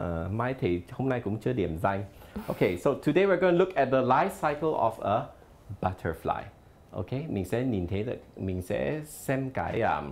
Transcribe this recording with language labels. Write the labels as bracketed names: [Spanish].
[Vietnamese] Mai thì hôm nay cũng chưa điểm danh. [English] Okay, so today we're going to look at the life cycle of a butterfly. [Vietnamese] Okay, mình sẽ nhìn thấy được, mình sẽ xem cái